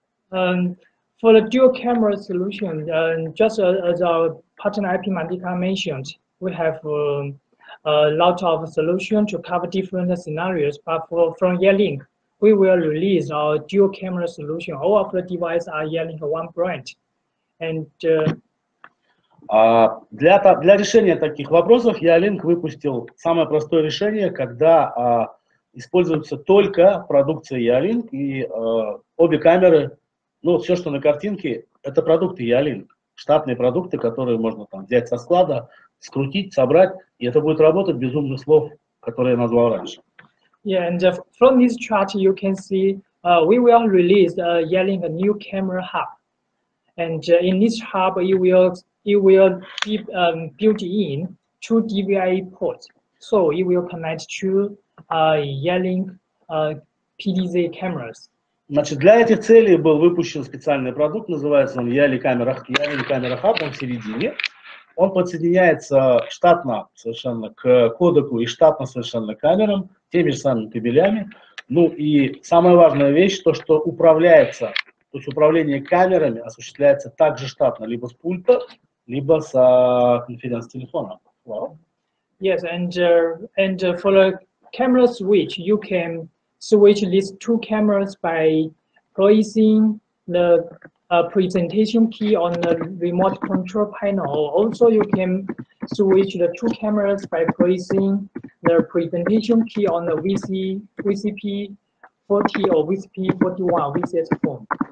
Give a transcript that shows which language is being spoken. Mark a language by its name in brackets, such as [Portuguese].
[English] For the dual camera solution, just as our partner IP Mandika mentioned, we have a lot of solution to cover different scenarios. But from Yearlink, we will release our dual camera solution. All of the devices are Yearlink one brand. And [Russian] для решения таких вопросов Yearlink выпустил самое простое решение, когда используется только продукция Yearlink и обе камеры. Ну, все, что на картинке, это продукты Yearlink, штатные продукты, которые можно там взять со склада, скрутить, собрать, и это будет работать без умных слов, которые я назвал раньше. [English] Yeah, and from this chart you can see we will release Yearlink a new camera hub. And in this hub it will be built in two DVI ports. So it will connect two Yearlink PDZ cameras. [Russian] Значит, для этих целей был выпущен специальный продукт, называется он Yearlink Camera Hub, он в середине. Он подсоединяется штатно совершенно к кодеку и штатно совершенно к камерам, теми же самыми кабелями. Ну и самая важная вещь, то что управляется, то есть управление камерами осуществляется также штатно, либо с пульта, либо с конференц-телефона. [English] Wow. Yes, and for the camera switch, you can switch these two cameras by placing the presentation key on the remote control panel. Also, you can switch the two cameras by placing the presentation key on the VCP 40 or VCP 41 VCS phone.